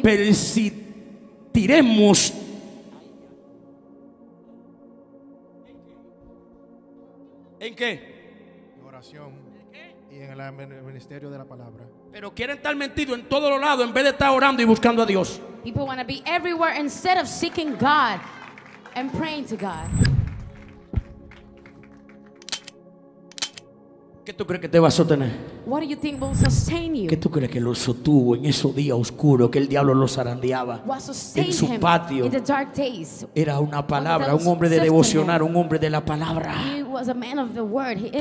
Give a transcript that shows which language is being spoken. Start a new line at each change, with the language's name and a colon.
Spanish: Persistiremos. ¿En qué? En oración. Y en el ministerio de la palabra. Pero quieren estar metidos en todos los lados en vez de estar orando y buscando a Dios.
English: People want to be everywhere instead of seeking God and praying to God.
Spanish: ¿Qué tú crees que te va a sostener?
English: What do you think will sustain you?
Spanish: ¿Qué tú crees que lo sostuvo en esos días oscuros que el diablo lo zarandeaba?
English: What sustained
Spanish: en su patio.
English: Him in the dark days?
Spanish: Era una palabra, un hombre de devocionar, un hombre de la palabra.
English: He was a man of the word. He